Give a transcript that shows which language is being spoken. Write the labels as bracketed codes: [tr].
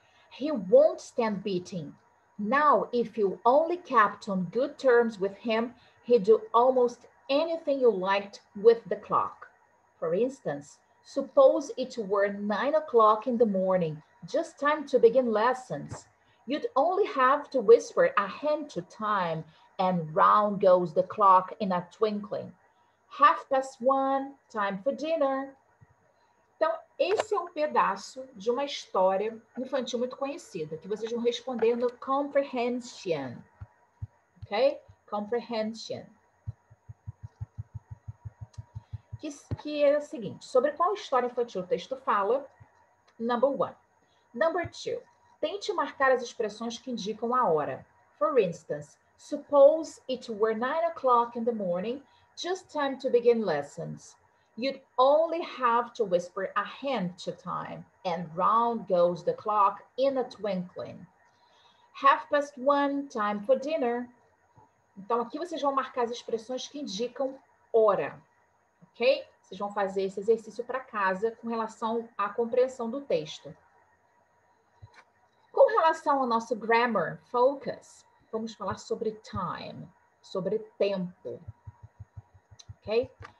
[en] He won't stand beating. Now, if you only kept on good terms with him, he'd do almost anything you liked with the clock. For instance, suppose it were 9 o'clock in the morning, just time to begin lessons. You'd only have to whisper a hint to time, and round goes the clock in a twinkling. 1:30, time for dinner. [pt] Então, esse é um pedaço de uma história infantil muito conhecida, que vocês vão respondendo comprehension. Ok? Comprehension. Que é o seguinte, sobre qual história infantil o texto fala? [en] Number one. Number two. [pt] Tente marcar as expressões que indicam a hora. [en] For instance, suppose it were 9 o'clock in the morning, just time to begin lessons. You'd only have to whisper a hint to time, and round goes the clock in a twinkling. 1:30, time for dinner. [pt] Então, aqui vocês vão marcar as expressões que indicam hora, ok? Vocês vão fazer esse exercício para casa com relação à compreensão do texto. Com relação ao nosso grammar focus, vamos falar sobre time, sobre tempo. Ok?